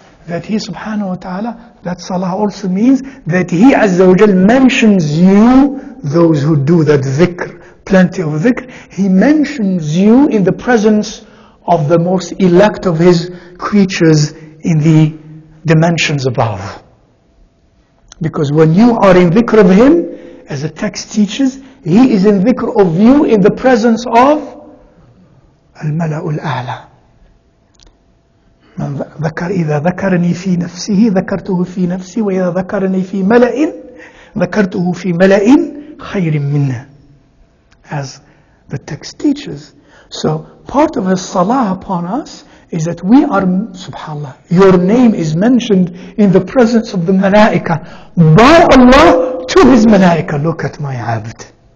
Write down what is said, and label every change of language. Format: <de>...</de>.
<en>that He subhanahu wa ta'ala, that salah also means that He azza wa jal mentions you, those who do that dhikr, plenty of dhikr, He mentions you in the presence of the most elect of His creatures in the dimensions above. Because when you are in dhikr of Him, as the text teaches, He is in dhikr of you in the presence of al-mala'ul a'la.</en> <ar>من ذكر إذا ذكرني في نفسه ذكرته في نفسي وإذا ذكرني في ملأ ذكرته في ملأ خير منه.</ar> <en>As the text teaches. So part of His salah upon us is that we are, subhanAllah, your name is mentioned in the presence of the malaika by Allah to His malaika. Look at my abd.</en>